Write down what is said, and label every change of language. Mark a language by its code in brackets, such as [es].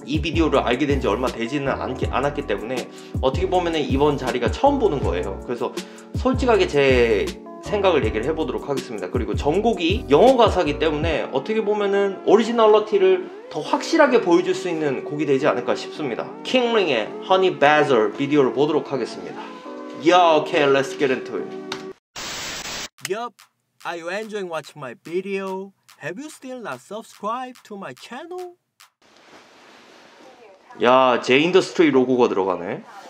[ko] 이 비디오를 알게 된 지 얼마 되지는 않았기 때문에 어떻게 보면 이번 자리가 처음 보는 거예요. 그래서 솔직하게 제 생각을 얘기를 해보도록 하겠습니다. 그리고 전곡이 영어 가사기 때문에 어떻게 보면은 오리지널러티를 더 확실하게 보여줄 수 있는 곡이 되지 않을까 싶습니다. 킹링의 Honey Badger 비디오를 보도록 하겠습니다. [en] Yeah, okay, let's get into it. Yup, are you enjoying watching my video? Have you still not subscribed to my channel? [ko] 야, J Industry 로고가 들어가네.